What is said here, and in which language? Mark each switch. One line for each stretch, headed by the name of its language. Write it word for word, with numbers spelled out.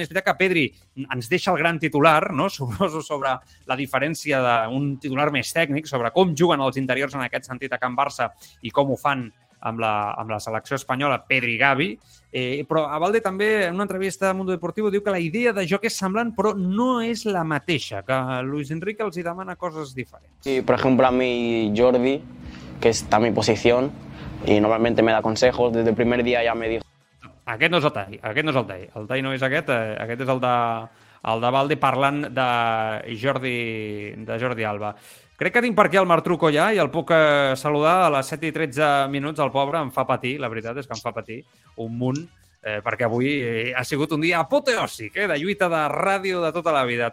Catalan: És veritat que Pedri ens deixa el gran titular, no? Suposo sobre la diferència d'un titular més tècnic, sobre com juguen els interiors en aquest sentit a Can Barça i com ho fan amb la, amb la selecció espanyola, Pedri i Gavi. Eh, però a Valde també, en una entrevista a Mundo Deportivo, diu que la idea de joc és semblant, però no és la mateixa, que Luis Enrique els hi demana coses diferents.
Spanish: Sí, por ejemplo, a mí Jordi, que está en mi posición, y normalmente me da consejos, desde el primer día ya me dijo...
Catalan: Aquest no és el tall, aquest no és el tall. El tall no és aquest, eh, aquest és el de, el de Valde parlant de Jordi, de Jordi Alba. Crec que tinc per aquí el Martruco ja i el puc eh, saludar a les set i tretze minuts. El pobre em fa patir, la veritat és que em fa patir un munt, eh, perquè avui eh, ha sigut un dia apoteòsic, eh, de lluita de ràdio de tota la vida.